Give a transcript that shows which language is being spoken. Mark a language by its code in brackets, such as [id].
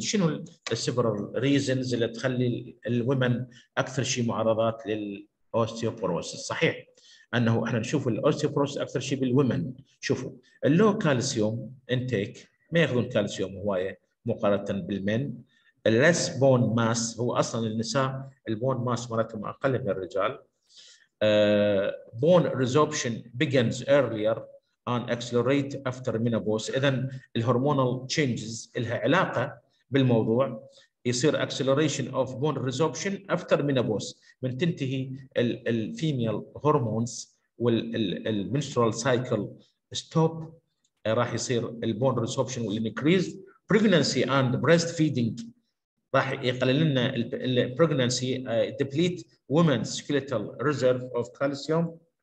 [ar] شنو السيفرال ريزنز اللي تخلي الوومن اكثر شيء معرضات للاوستيوبوروسيس؟ صحيح انه احنا نشوف الاوستيوبوروسيس اكثر شيء بالوومن. شوفوا اللو كالسيوم انتيك ما ياخذون كالسيوم هوايه مقارنه بالمن. [en] less bone mass [ar] هو اصلا النساء البون ماس مالتهم اقل من الرجال. [en] bone resorption begins earlier and accelerate after menopause. [ar] اذا الهرمونال تشينجز لها علاقه بالموضوع، يصير [en] acceleration of bone resorption after menopause [ar] من تنتهي الفيميل هرمونز والمنسترال سايكل ستوب، راح يصير البون ريسوبشن والانكريز بريجننسي اند بريست فيدنج، راح يقلل لنا البريجننسي ديبليت وومنز سكيليتال ريزرف اوف كالسيوم.